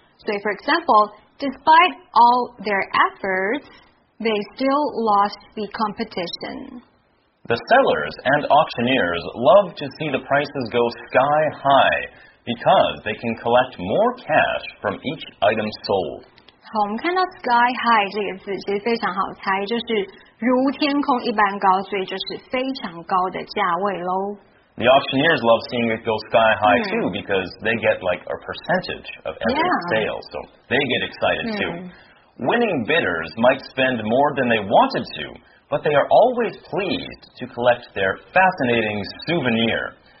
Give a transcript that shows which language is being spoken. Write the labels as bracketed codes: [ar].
[zh] 所以 [en] for example， despite all their efforts， they still lost the competition。 The sellers and auctioneers love to see the prices go sky high because they can collect more cash from each item sold。 [zh] 好，我们看到 sky high 这个字其实非常好猜，就是如天空一般高，所以就是非常高的价位咯。 [en] The auctioneers love seeing it go sky high too, because they get like a percentage of every sale, so they get excited too. Winning bidders might spend more than they wanted to, but they are always pleased to collect their fascinating souvenir.